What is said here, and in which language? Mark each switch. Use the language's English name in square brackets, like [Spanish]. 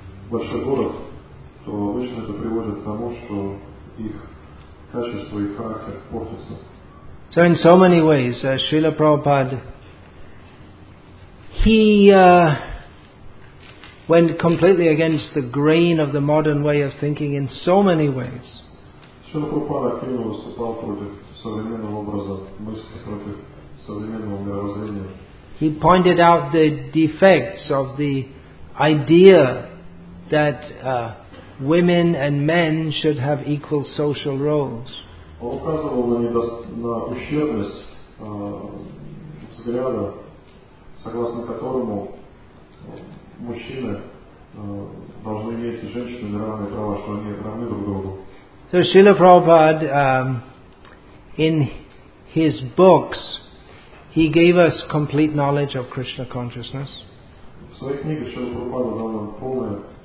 [Russian] Большой город, то обычно это приводит к тому, что их качество, их характер портится. [English] So in so many ways, Srila Prabhupada, he went completely against the grain of the modern way of thinking in so many ways. [Russian] Srila Prabhupada активно выступал против современного образа мысли, против современного мировоззрения. [English] He pointed out the defects of the idea that women and men should have equal social roles. [Russian] Он указывал на ущербность взгляда, согласно которому мужчины должны иметь с женщинами равные права, что они равны друг другу. [English] So Srila Prabhupada, in his books, he gave us complete knowledge of Krishna consciousness. [Russian] В своих книгах Шрила Прабхупада дал нам полное